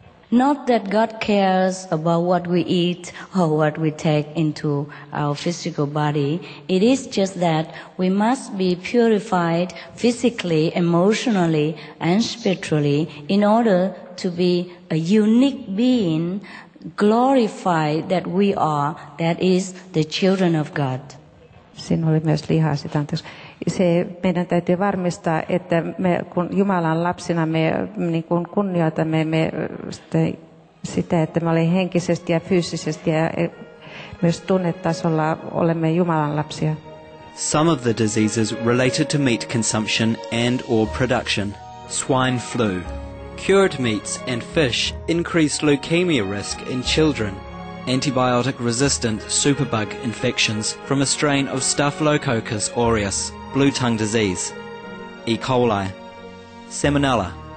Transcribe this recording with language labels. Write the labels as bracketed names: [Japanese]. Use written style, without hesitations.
[English] Not that God cares about what we eat or what we take into our physical body. It is just that we must be purified physically, emotionally, and spiritually in order to be a unique being, glorified that we are, that is, the children of God. [Finnish] Siinä oli myös lihaa sitä, anteeksi. Se meidän täytyy varmistaa, että me kun Jumalan lapsina me niin kuin kunnioitamme me sitä, että me olemme henkisesti ja fyysisesti ja myös tunnetasolla olemme Jumalan lapsia. [English] some of the diseases related to meat consumption and or production. Swine flu. Cured meats and fish increased leukemia risk in children. Antibiotic-resistant superbug infections from a strain of Staphylococcus aureus, blue tongue disease. E. coli. Salmonella.